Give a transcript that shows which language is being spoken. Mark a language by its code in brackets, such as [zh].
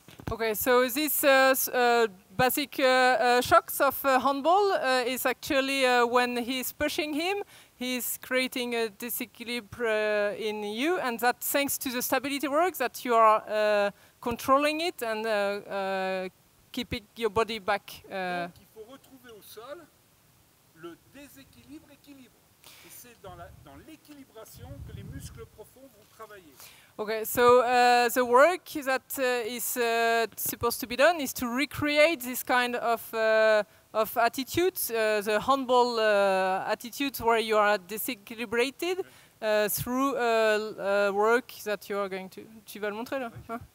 [en] Okay, so this basic shocks of handball is actually when he's pushing him, he's creating a disequilibrium in you, and that's thanks to the stability work that you are controlling it and keeping your body back. [fr] Donc il faut retrouver au sol le déséquilibre équilibre. Et c'est dans l'équilibration que les muscles profonds vont travailler. [en] Okay, so the work that is supposed to be done is to recreate this kind of attitude, the handball attitude where you are disequilibrated through work that you are going to... [fr] Tu vas le montrer là? [en] Huh?